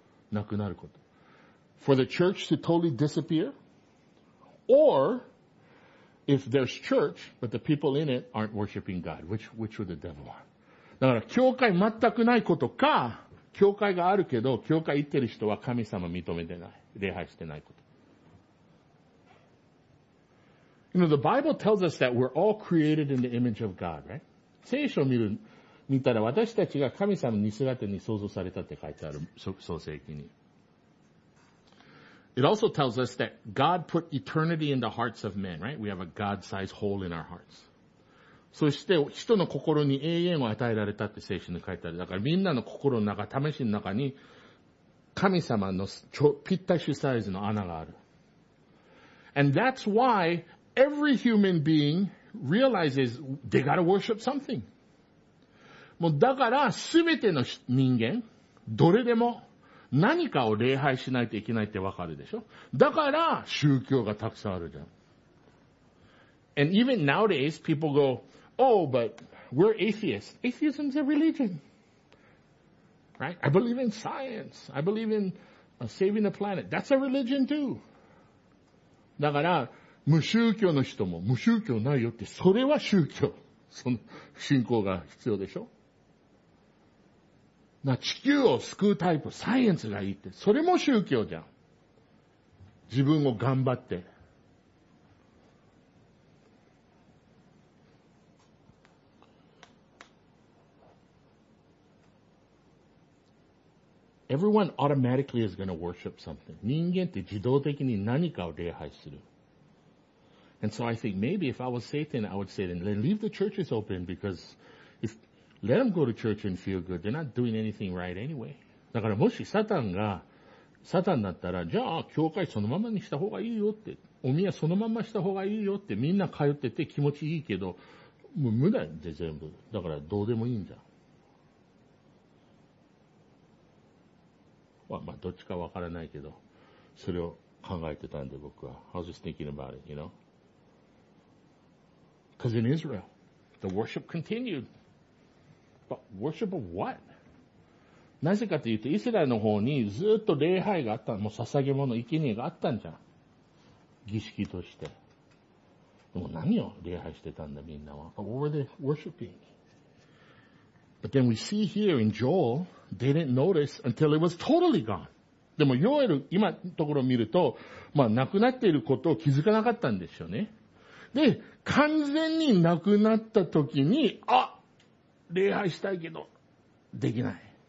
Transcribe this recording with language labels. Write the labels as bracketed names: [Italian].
[Japanese] なくなること。 [English] For the church to totally disappear? Or, if there's church, but the people in it aren't worshiping God, which would the devil want? [Japanese] だから、教会全くないことか、教会があるけど、教会行ってる人は神様認めてない。礼拝してないこと。 [English] You know, the Bible tells us that we're all created in the image of God, right? [Japanese] 聖書を見たら私たちが神様の似姿に創造されたって書いてある、創世記に。 [English] It also tells us that God put eternity in the hearts of men, right? We have a God-sized hole in our hearts. [Japanese] そして人の心に永遠を与えられたって聖書に書いてある。だからみんなの心の中、魂の中に神様のぴったしサイズの穴がある。 [English] And that's why Every human being realizes they gotta worship something. [Japanese] もうだから、すべての人間、どれでも何かを礼拝しないといけないってわかるでしょ? だから、宗教がたくさんあるじゃん。 [English] And even nowadays, people go, oh, but we're atheists. Atheism is a religion. Right? I believe in science. I believe in saving the planet. That's a religion too. [Japanese] だから、無宗教の人も無宗教ないよって、それは宗教。その信仰が必要でしょ? な、地球を救うタイプ、サイエンスがいいって、それも宗教じゃん。自分を頑張って。 [English] Everyone automatically is going to worship something. [Japanese] 人間って自動的に何かを礼拝する。 [English] And so I think maybe if I was Satan, I would say, then leave the churches open because if, let them go to church and feel good. They're not doing anything right anyway. [Japanese] だからもしサタンだったら、じゃあ教会そのままにした方がいいよって、お宮そのまました方がいいよってみんな通ってて気持ちいいけど、もう無駄で全部。だからどうでもいいんじゃん。まあどっちかわからないけど、それを考えてたんで僕は。 [English] I was just thinking about it, you know? Because in Israel, The worship continued. But worship of what? [Japanese] なぜかというと、イスラエルの方にずっと礼拝があった、もう捧げ物、生贄があったんじゃん。儀式として。でも何を礼拝してたんだ、みんなは。 [English] But what were they worshiping? But then we see here in Joel, they didn't notice until it was totally gone. [Japanese] でも、ヨエル、今のところを見ると、まあ、亡くなっていることを気づかなかったんですよね。で、完全に亡くなった時に、あ、礼拝したいけど、できない。